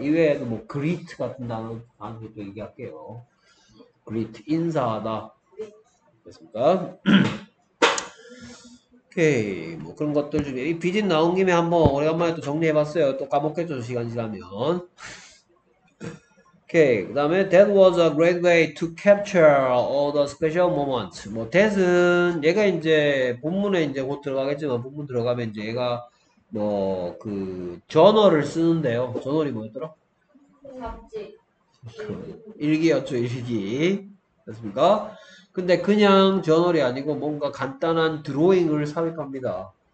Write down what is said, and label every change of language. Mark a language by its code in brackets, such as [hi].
[ko] 이외에도 뭐 greet 같은 단어 또 얘기할게요. greet 인사하다 됐습니까? 오케이 뭐 그런 것들 중에 이 비진 나온 김에 한번 오랜만에 또 정리해봤어요. 또 까먹겠죠 시간 지나면. 오케이 그 다음에 [en] that was a great way to capture all the special moments. [ko] 뭐 that은 얘가 이제 본문에 이제 곧 들어가겠지만 본문 들어가면 이제 얘가 뭐 그 저널을 쓰는데요. 저널이 뭐였더라? 잡지. 일기였죠 일기. 됐습니까? 근데 그냥 저널이 아니고 뭔가 간단한 드로잉을 삽입합니다.